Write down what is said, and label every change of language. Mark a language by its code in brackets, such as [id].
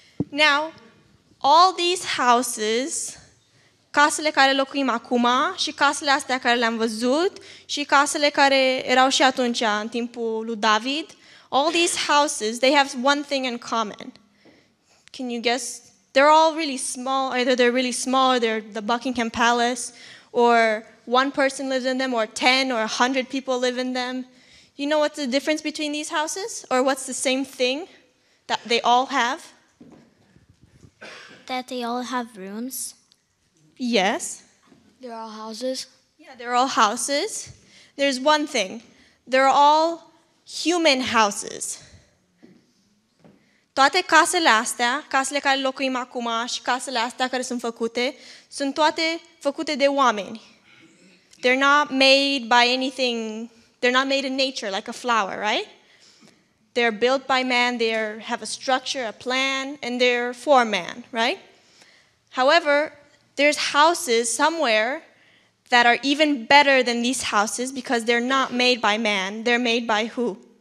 [en] Now, all these houses, [ro] casele care locuim acum și casele astea care le-am văzut și casele care erau și atunci în timpul lui David, [en] all these houses, they have one thing in common. Can you guess? They're all really small. Either they're really small or they're the Buckingham Palace. Or one person lives in them, or 10 or 100 people live in them. You know what's the difference between these houses? Or what's the same thing that they all have? That they all have rooms. Yes. They're all houses. Yeah, they're all houses. There's one thing. They're all human houses. [ro] Toate casele astea, casele care locuim acum și casele astea care sunt făcute, sunt toate făcute de oameni. [en] They're not made by anything, they're not made in nature, like a flower, right? They're built by man, they have a structure, a plan, and they're for man, right? However, there's houses somewhere that are even better than these houses because they're not made by man, they're made by who?